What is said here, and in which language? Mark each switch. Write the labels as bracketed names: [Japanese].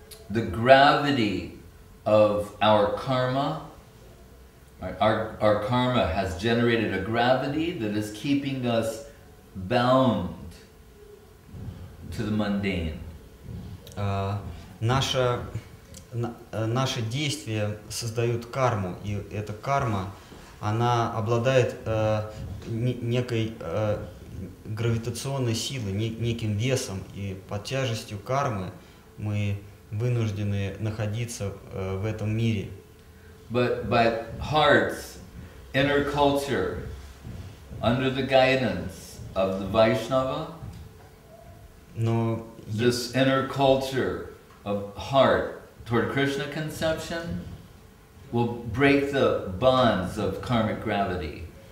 [English] The gravity of our karma has generated a gravity that is keeping us bound to the mundane. [Russian] Наши действия создают карму, и эта карма, она обладает некой гравитационной силой, неким весом, и под тяжестью кармы мы вынуждены находиться в этом мире. [English] But hearts, inner culture, under the guidance of the Vaishnava, this inner culture of heart toward Krishna conception will break the bonds of karmic gravity.